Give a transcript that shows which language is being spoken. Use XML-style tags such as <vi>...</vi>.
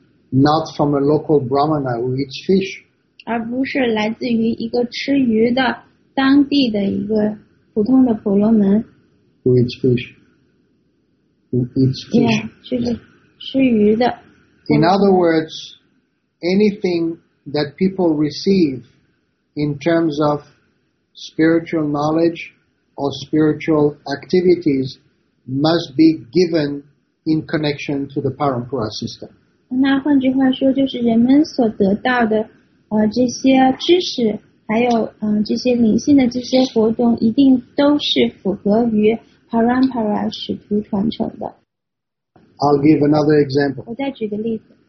<en>Not from a local Brahmana who eats fish.</en> <zh>而不是来自于一个吃鱼的当地的一个普通的婆罗门.</zh> <en>Who eats fish? Who eats fish?</en> <zh>Yeah, 吃鱼的.</zh> <en>In other words, anything that people receive in terms of spiritual knowledge or spiritual activities must be given in connection to the Parampara system.</en> <zh>那换句话说就是人们所得到的这些知识还有这些灵性的这些活动一定都是符合于 parampara 使徒传承的。</zh> <en>I'll give another example.</en> <zh>我再举个例子。</zh>